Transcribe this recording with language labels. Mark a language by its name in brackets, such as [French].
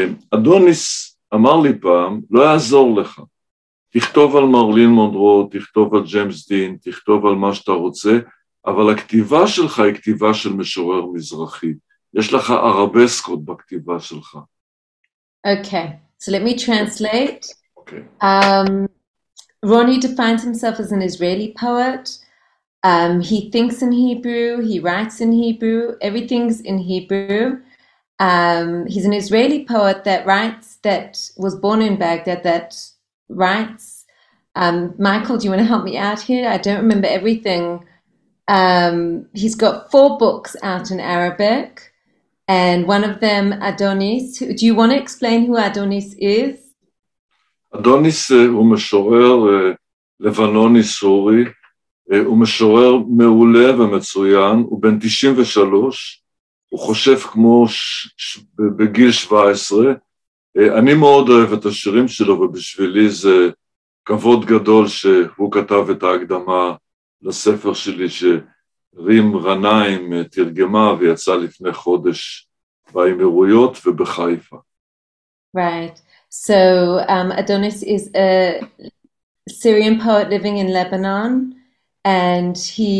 [Hebrew] אדוניס אמר לי פעם, לא יעזור לך. תכתוב על מרלין מונרו, תכתוב על ג'יימס דין, תכתוב על מה שאתה רוצה, אבל הכתיבה שלך היא כתיבה של משורר מזרחי. יש לך ערבסקות בכתיבה שלך. [English] Okay, so let me translate. Okay. Ronny defines himself as an Israeli poet. He thinks in Hebrew, he writes in Hebrew, everything's in Hebrew. He's an Israeli poet that writes, that was born in Baghdad, that writes. Michael, do you want to help me out here? I don't remember everything. He's got four books out in Arabic, and one of them, Adonis. Do you want to explain who Adonis is? [Hebrew] Adonis הוא משורר לבנוני סורי, הוא משורר מעולה ומצוין, הוא בן 93, הוא חושב כמו בגיל 17. אני מאוד אוהב את השירים שלו, ובשבילי זה כבוד גדול שהוא כתב את ההקדמה לספר שלי שרים רנאים תרגמה ויצא לפני חודש באמירויות ובחיפה. [English] Right. So Adonis is a Syrian poet living in Lebanon, and he...